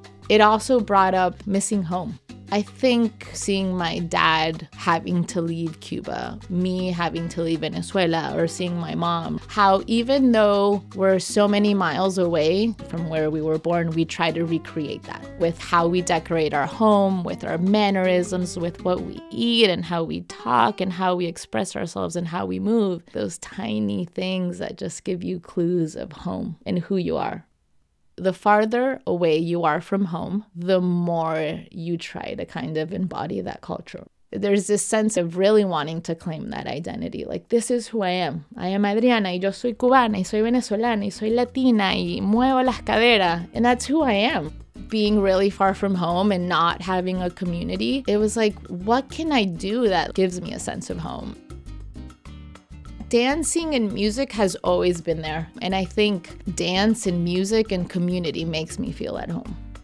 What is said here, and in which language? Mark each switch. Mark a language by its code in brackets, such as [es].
[en] It also brought up missing home. I think seeing my dad having to leave Cuba, me having to leave Venezuela, or seeing my mom, how even though we're so many miles away from where we were born, we try to recreate that with how we decorate our home, with our mannerisms, with what we eat and how we talk and how we express ourselves and how we move. Those tiny things that just give you clues of home and who you are. The farther away you are from home, the more you try to kind of embody that culture. There's this sense of really wanting to claim that identity. Like, this is who I am. I am Adriana, [es] y yo soy cubana, y soy venezolana, y soy latina, y muevo las caderas. [en] And that's who I am. Being really far from home and not having a community, it was like, what can I do that gives me a sense of home? Dancing and music has always been there. And I think dance and music and community makes me feel at home.